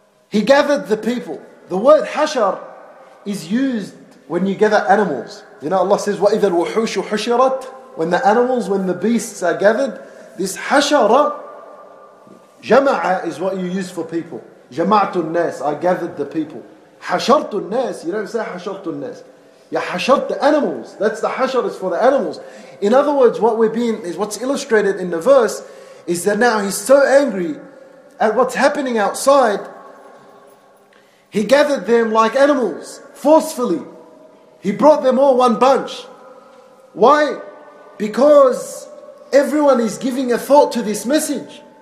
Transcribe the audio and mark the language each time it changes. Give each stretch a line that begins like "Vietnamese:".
English: He gathered the people. The word hashar is used when you gather animals. You know, Allah says,
Arabic: وَإِذَا الْوُحُوشُ حُشِرَتْ.
English: When the animals, when the beasts are gathered, this hashara, jama'a is what you use for people.
Arabic: جَمَعْتُ النَّاسِ,
English: I gathered the people.
Arabic: حَشَرْتُ النَّاسِ,
English: you don't say
Arabic: حَشَرْتُ النَّاسِ.
English: You hashar the animals. That's the hashar, is for the animals. In other words, what we're being is what's illustrated in the verse is that now he's so angry at what's happening outside, he gathered them like animals, forcefully. He brought them all one bunch. Why? Because everyone is giving a thought to this message.